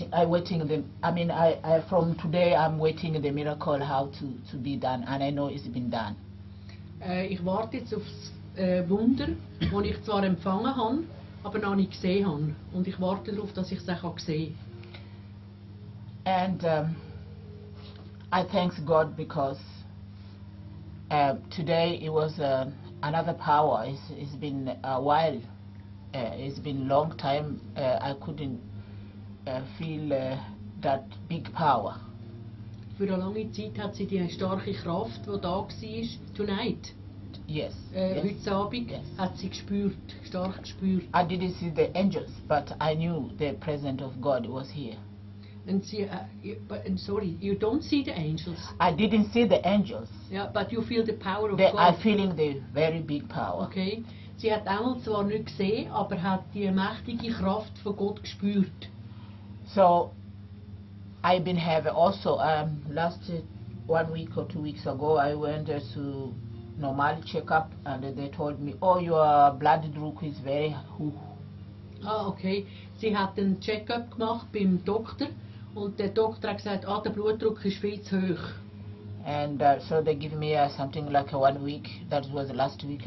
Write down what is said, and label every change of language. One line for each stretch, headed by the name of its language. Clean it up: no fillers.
English: I'm waiting the miracle how to be done, and I know it's been done.
German: Ich warte jetzt auf das Wunder, das ich zwar empfangen habe, aber noch nicht gesehen habe. Und ich warte darauf, dass ich es auch sehe.
English: And I thank God because today it was another power. It's been a while. It's been a long time. I couldn't feel that big power.
German: Für eine lange Zeit hat sie die starke Kraft, die da war,
English: tonight. Yes.
German: Heute Abend hat sie gespürt, stark gespürt.
English: I didn't see the angels, but I knew the presence of God was here. And see, sorry, you don't see the angels. I didn't see the angels. Yeah, but you feel the power of God. I'm feeling the very big power. Okay.
German: Sie hat Engel zwar nicht gesehen, aber hat die mächtige Kraft von Gott gespürt.
English: So, I've been having also, last 1 week or 2 weeks ago, I went to normal checkup and they told me, oh, your blood group is very hoch.
German: Ah, okay. Sie hat einen Checkup gemacht beim Doktor. Und der Doktor hat gesagt, der Blutdruck ist viel zu hoch.
English: And so they give me something like 1 week. That was last week.